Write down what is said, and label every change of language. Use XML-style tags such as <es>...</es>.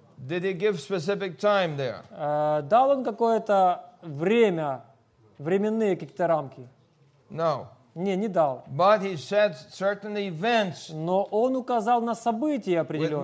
<en>Did he give specific time there?</en> <ru>Дал он какое-то время, временные какие-то рамки?</ru> <en>No.</en> <ru>Не, не дал.</ru> <en>But he said certain events.</en> <ru>Но он указал на события определенные,</ru>